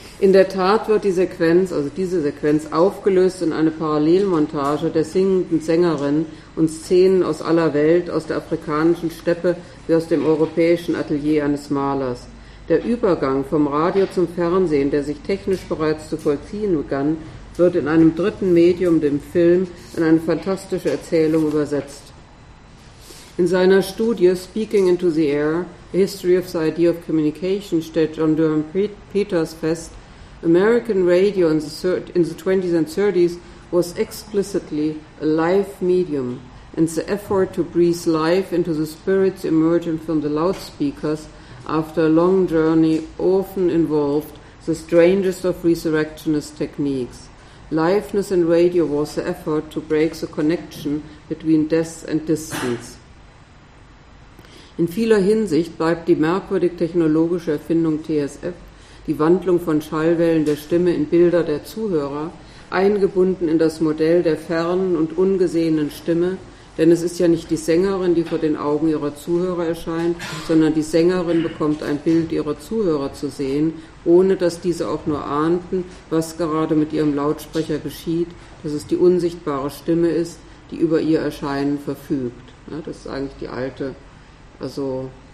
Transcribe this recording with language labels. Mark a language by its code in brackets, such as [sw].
[de] In der Tat wird die Sequenz, also diese Sequenz, aufgelöst in eine Parallelmontage der singenden Sängerin und Szenen aus aller Welt, aus der afrikanischen Steppe wie aus dem europäischen Atelier eines Malers. Der Übergang vom Radio zum Fernsehen, der sich technisch bereits zu vollziehen begann, wird in einem dritten Medium, dem Film, in eine fantastische Erzählung übersetzt. In seiner Studie [en] Speaking into the Air, A History of the Idea of Communication [de] stellt John Durham Peters fest, [en] American radio in the 20s and 30s was explicitly a live medium, and the effort to breathe life into the spirits emerging from the loudspeakers after a long journey often involved the strangest of resurrectionist techniques. Liveness in radio was the effort to break the connection between death and distance. [de] In vieler Hinsicht bleibt die merkwürdig technologische Erfindung TSF, die Wandlung von Schallwellen der Stimme in Bilder der Zuhörer, eingebunden in das Modell der fernen und ungesehenen Stimme, denn es ist ja nicht die Sängerin, die vor den Augen ihrer Zuhörer erscheint, sondern die Sängerin bekommt ein Bild ihrer Zuhörer zu sehen, ohne dass diese auch nur ahnten, was gerade mit ihrem Lautsprecher geschieht, dass es die unsichtbare Stimme ist, die über ihr Erscheinen verfügt. Ja, das ist eigentlich die alte, also